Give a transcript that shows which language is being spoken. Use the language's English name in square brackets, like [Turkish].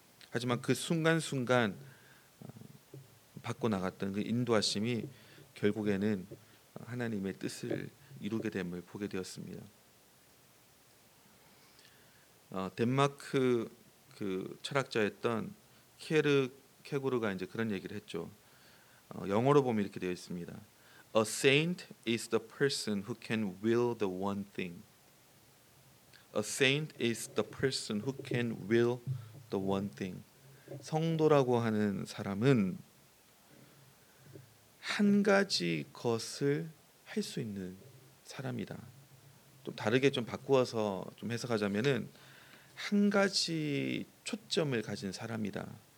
[Korean] 하지만 그 순간순간 받고 나갔던 그 인도하심이 결국에는 하나님의 뜻을 이루게 됨을 보게 되었습니다. 덴마크 그 철학자였던 케르케고르가 이제 그런 얘기를 했죠. 영어로 보면 이렇게 되어 있습니다. [English] A saint is the person who can will the one thing. A saint is the person who can will the one thing. [Korean] 성도라고 하는 사람은 한 가지 것을 할 수 있는 사람이다. 좀 다르게 좀 바꾸어서 좀 해석하자면은 한 가지 초점을 가진 사람이다.